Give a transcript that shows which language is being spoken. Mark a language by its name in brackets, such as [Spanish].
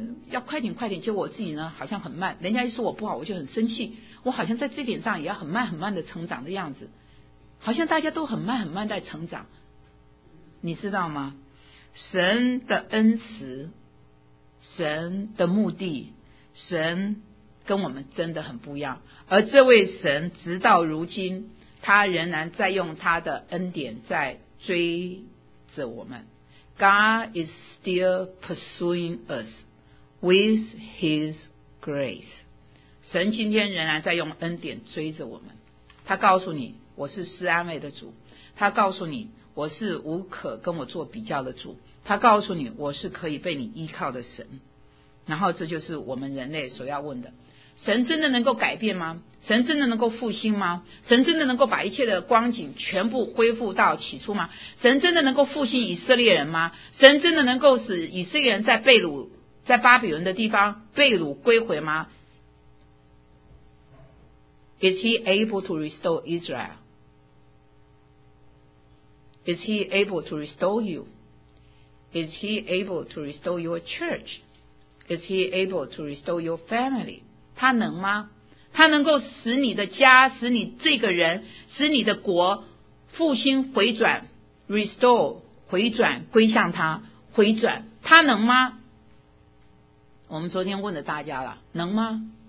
[Chinese] 要快点快点，结果我自己呢好像很慢，人家一说我不好我就很生气，我好像在这点上也要很慢很慢的成长的样子，好像大家都很慢很慢在成长。你知道吗？神的恩慈，神的目的，神跟我们真的很不一样。而这位神直到如今他仍然在用他的恩典在追着我们。 [English] God is still pursuing us with his grace。 [Chinese] 神今天仍然在用恩典追着我们，他告诉你我是施安慰的主，他告诉你我是无可跟我做比较的主，他告诉你我是可以被你依靠的神。然后这就是我们人类所要问的，神真的能够改变吗？神真的能够复兴吗？神真的能够把一切的光景全部恢复到起初吗？神真的能够复兴以色列人吗？神真的能够使以色列人在被掳，在巴比伦的地方被掳归回吗？ [English] Is he able to restore Israel? Is he able to restore you? Is he able to restore your church? Is he able to restore your family? [Chinese] 他能吗？他能够使你的家，使你这个人，使你的国复兴回转， restore 回转归向他，回转，他能吗？我们昨天问了大家了，能吗？